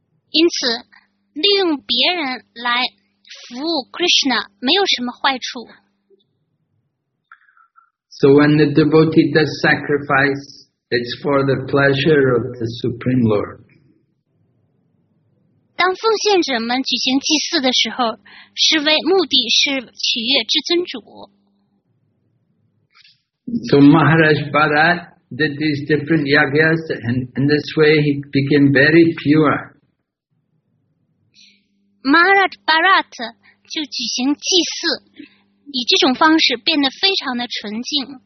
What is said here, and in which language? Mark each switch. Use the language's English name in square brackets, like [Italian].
[Chinese] 因此，利用别人来服务 Krishna 没有什么坏处。 [English] So when the devotee does sacrifice, it's for the pleasure of the Supreme Lord. [Chinese] 当奉献者们举行祭祀的时候，是为目的是取悦至尊主。 [English] So Maharaj Bharat did these different yagyas, and in this way he became very pure. [Chinese] Maharaj Bharat 就举行祭祀，以这种方式变得非常的纯净。